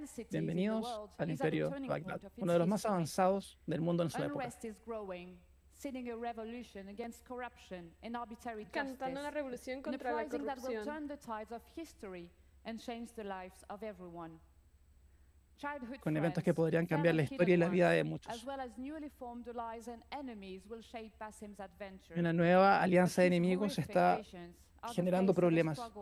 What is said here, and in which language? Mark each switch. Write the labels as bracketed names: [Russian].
[Spanish] Bienvenidos al Imperio de Bagdad, uno de los más avanzados del mundo en su época. [English] Sitting a revolution against corruption and arbitrary justice. [Spanish] Cantando una revolución contra la corrupción. [English] An uprising that will turn the tides of history and change the lives of everyone. Childhood friends, [Spanish] con eventos que podrían cambiar la historia y la vida de muchos. [English] As well as newly formed allies and enemies will shape Basim's adventure. [Spanish] Una nueva alianza de enemigos está generando problemas.